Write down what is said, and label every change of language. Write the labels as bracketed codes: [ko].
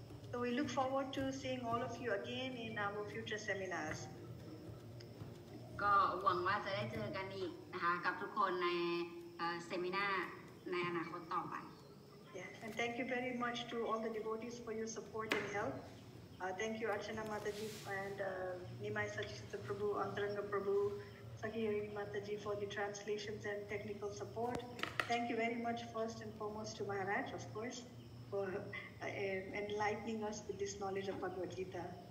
[en] So we look forward to seeing all of you again in our future seminars. [th] ก็หวังว่าจะได้เจอกันอีกนะคะกับทุกคนในเซมินาร์ในอนาคตต่อไป [en] And thank you very much to all the devotees for your support and help. Thank you Archana Mataji and Nimai Sachita Prabhu, Antaranga Prabhu, Sahiri Mataji for the translations and technical support. Thank you very much first and foremost to Maharaj, of course, for enlightening us with this knowledge of Bhagavad Gita.